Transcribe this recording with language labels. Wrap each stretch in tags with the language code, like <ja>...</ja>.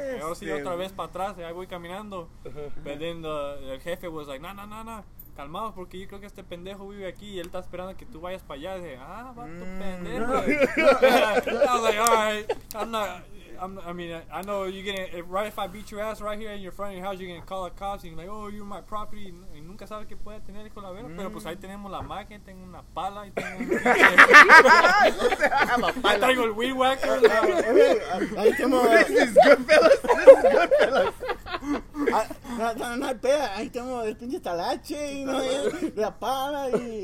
<es>Y ahora sí, otra vez para atrás. Y ahí voy caminando.</es> <en>But then the jefe was like, nah.</en> <es>Calmado, porque yo creo que este pendejo vive aquí y él está esperando que tú vayas para allá. Dije, ah, va tu pendejo.</es> <en>I was like, all right, I know you're gonna, right if I beat your ass right here in your front of your house, you're gonna call the cops and you're like, oh, you're my property.</en> <es>Y nunca sabes qué puede tener con la vela, pero pues ahí tenemos la máquina, tengo una pala y tengo un. Tengo el weed whacker. Ahí tengo.</es> <en>This is good, fellas.</en> <es>No, espera, ahí tengo el pinche talache y la pala y.</es>